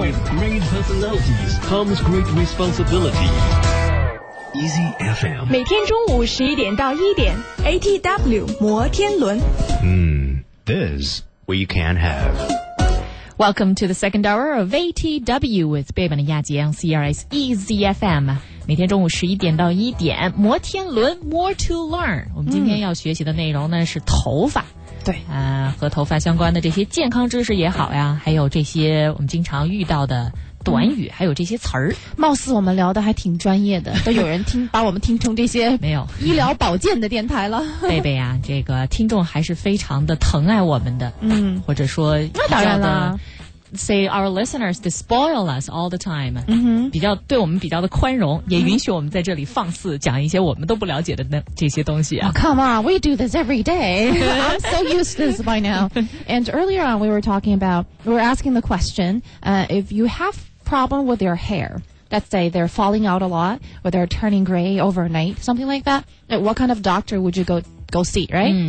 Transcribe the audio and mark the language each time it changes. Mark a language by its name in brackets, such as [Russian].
[English] with great personalities comes great responsibility Easy FM [Chinese] 每天中午11点到1点 ATW 摩天轮 [English] This we can have Welcome to the second hour of ATW with Babe and Yaji on CRS EZFM. [Chinese] 每天中午11点到1点摩天轮 [English] More to Learn. [Chinese] 我们今天要学习的内容呢是头发。对。和头发相关的这些健康知识也好呀，还有这些我们经常遇到的短语，还有这些词儿，貌似我们聊的还挺专业的，都有人听把我们听成这些没有医疗保健的电台了。贝贝啊，这个听众还是非常的疼爱我们的，或者说那当然啦。 [English] Say our listeners to spoil us all the time、 mm-hmm. [Chinese] 比较对我们比较的宽容也允许我们在这里放肆讲一些我们都不了解的那这些东西、啊 [English] oh, Come on, we do this every day I'm so used to this by now And earlier on we were talking about We were asking the question、If you have problem with your hair Let's say they're falling out a lot Or they're turning gray overnight Something like that What kind of doctor would you go see, right?、